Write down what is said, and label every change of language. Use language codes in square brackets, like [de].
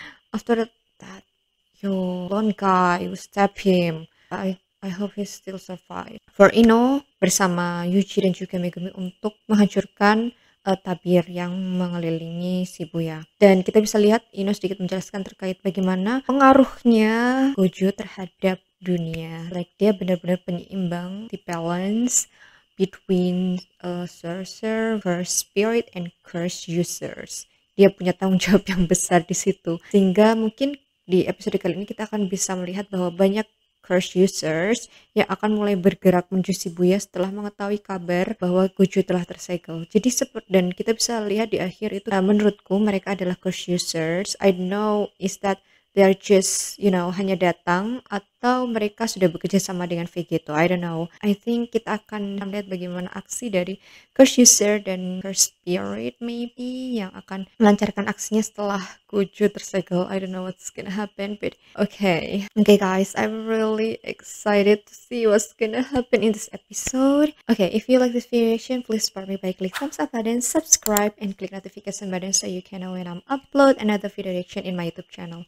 [en] After that, yo, lone guy, you stab him. I hope he still survive. [id] For Ino bersama Yuji dan juga Megumi untuk menghancurkan tabir yang mengelilingi Shibuya. Dan kita bisa lihat Ino sedikit menjelaskan terkait bagaimana pengaruhnya Gojo terhadap dunia. [en] Like [id] dia benar-benar penyeimbang, [en] the balance between sorcerer versus spirit and curse users. [id] Dia punya tanggung jawab yang besar di situ. Sehingga mungkin di episode kali ini kita akan bisa melihat bahwa banyak curse users yang akan mulai bergerak menuju Shibuya setelah mengetahui kabar bahwa Gojo telah tersegel. Jadi dan kita bisa lihat di akhir itu menurutku mereka adalah curse users. [en] I don't know is that they are just, you know, [id] hanya datang atau mereka sudah bekerja sama dengan [en] Vegeto. I don't know. I think [id] kita akan melihat bagaimana aksi dari curse user dan curse spirit [en] maybe [id] yang akan melancarkan aksinya setelah Gojo tersegel. [en] I don't know what's gonna happen, but okay. Okay guys, I'm really excited to see what's gonna happen in this episode. Okay, if you like this video, please support me by click thumbs up button, subscribe, and click notification button so you can know when I'm upload another video reaction in my YouTube channel.